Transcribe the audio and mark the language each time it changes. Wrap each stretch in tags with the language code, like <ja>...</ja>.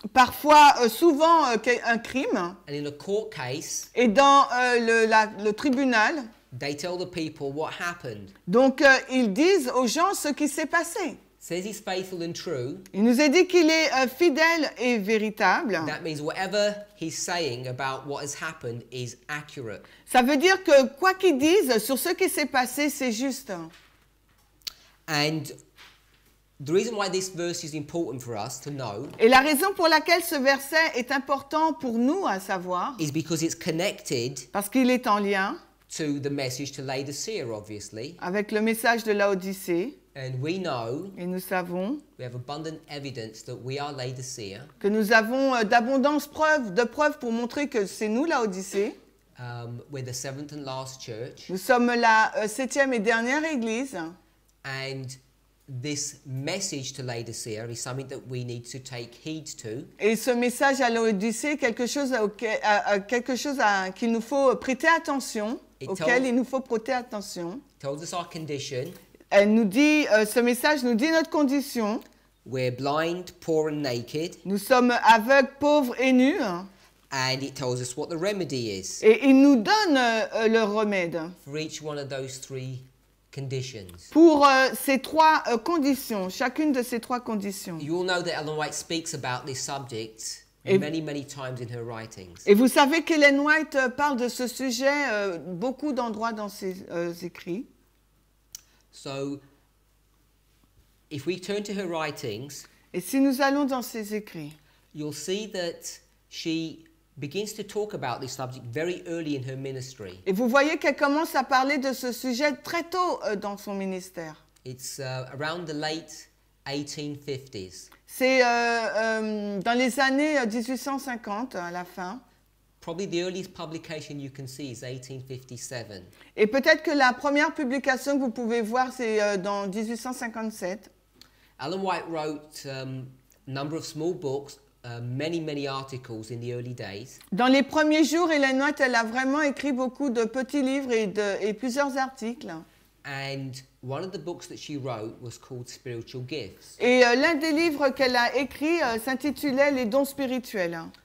<fr>Parfois, souvent, un crime.</fr> <en>And in a court case,</en> <fr>et dans le tribunal.</fr> <en>They tell the people what happened.</en> <fr>Donc, ils disent aux gens ce qui s'est passé.</fr> <en>Says he's faithful and true.</en> <fr>Il nous a dit qu'il est fidèle et véritable.</fr> <en>That means whatever he's saying about what has happened is accurate.</en> <fr>Ça veut dire que quoi qu'il dise sur ce qui s'est passé, c'est juste.</fr> <en>And the reason why this verse is important for us to know.</en> <fr>Et la raison pour laquelle ce verset est important pour nous à savoir.</fr> <en>Is because it's connected.</en> <fr>Parce qu'il est en lien.</fr> <en>To the message to Laodicea, obviously.</en> <fr>Avec le message de Laodicée.</fr> <en>And we know,</en> <fr>et nous savons,</fr> <en>we have abundant evidence that we are Laodicea,</en> <fr>que nous avons d'abondance preuves pour montrer que c'est nous Laodicée.</fr> <en>We're the seventh and last church.</en> <fr>Nous sommes la septième et dernière église.</fr> <en>And this message to Laodicea is something that we need to take heed to.</en> <fr>Et ce message à Laodicée est quelque chose qu'il nous faut prêter attention,</fr> <en>Tells us our condition.</en> <fr>Elle nous dit, ce message nous dit notre condition.</fr> <en>We're blind, poor and naked.</en> <fr>Nous sommes aveugles, pauvres et nus.</fr> <en>And it tells us what the remedy is.</en> <fr>Et il nous donne le remède.</fr> <en>For each one of those three conditions.</en> <fr>Pour ces trois conditions, chacune de ces trois conditions.</fr> <en>You all know that Ellen White speaks about this subject many, many times in her writings.</en> <fr>Et vous savez qu'Ellen White parle de ce sujet beaucoup d'endroits dans ses écrits.</fr> <en>So, if we turn to her writings,</en> <fr>et si nous allons dans ses écrits,</fr> <en>you'll see that she begins to talk about this subject very early in her ministry.</en> <fr>Et vous voyez qu'elle commence à parler de ce sujet très tôt dans son ministère.</fr> <en>It's around the late 1850s.</en> <fr>C'est dans les années 1850 à la fin.</fr> <en>Probably the earliest publication you can see is 1857.</en> <fr>Et peut-être que la première publication que vous pouvez voir c'est dans 1857.</fr> <en>Ellen White wrote number of small books, many many articles in the early days.</en> <fr>Dans les premiers jours, Ellen White elle a vraiment écrit beaucoup de petits livres et plusieurs articles.</fr> <en>And one of the books that she wrote was called Spiritual Gifts.</en> <fr>Et l'un des livres qu'elle a écrit s'intitulait Les dons spirituels.</fr>